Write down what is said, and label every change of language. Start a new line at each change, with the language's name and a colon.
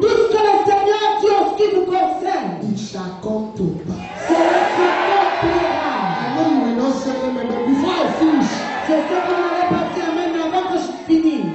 French: tout ce que le Seigneur a dit en ce qui vous concerne, il s'accorde tout bas. C'est ce que tu as dit.
English: I know you will not say amen, but before I finish,
French: c'est ce que vous allez partir amen, mais avant que je finisse,